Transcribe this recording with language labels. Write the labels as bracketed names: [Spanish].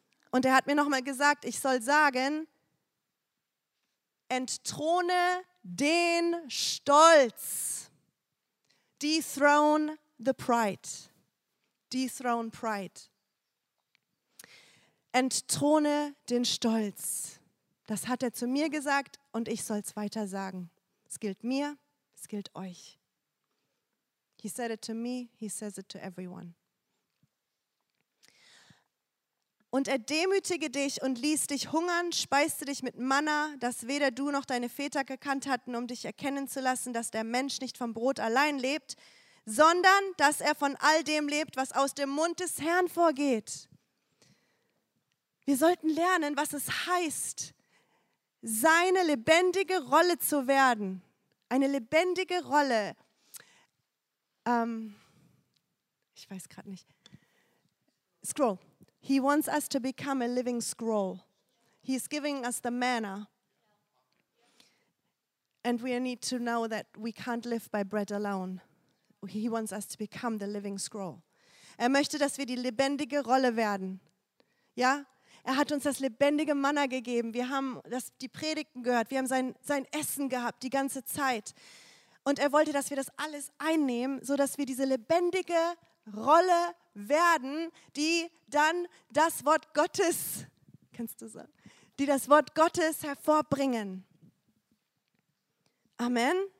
[German] Und er hat mir nochmal gesagt, ich soll sagen, entthrone den Stolz. [English] Dethrone the pride. Dethrone pride. [German] Entthrone den Stolz. Das hat er zu mir gesagt und ich soll es weiter sagen. Es gilt mir, es gilt euch. [English] He said it to me, he says it to everyone. [German] Und er demütige dich und ließ dich hungern, speiste dich mit Manna, das weder du noch deine Väter gekannt hatten, um dich erkennen zu lassen, dass der Mensch nicht vom Brot allein lebt, sondern dass er von all dem lebt, was aus dem Mund des Herrn vorgeht. Wir sollten lernen, was es heißt, seine lebendige Rolle zu werden. Eine lebendige Rolle. Ich weiß gerade nicht. Scroll. [English] He wants us to become a living scroll. He is giving us the manna. And we need to know that we can't live by bread alone. He wants us to become the living scroll. [German] Er möchte, dass wir die lebendige Rolle werden. Ja? Er hat uns das lebendige Manna gegeben. Wir haben das, die Predigten gehört. Wir haben sein Essen gehabt die ganze Zeit. Und er wollte, dass wir das alles einnehmen, sodass wir diese lebendige Rolle werden, die dann das Wort Gottes, kannst du sagen, die das Wort Gottes hervorbringen. Amen.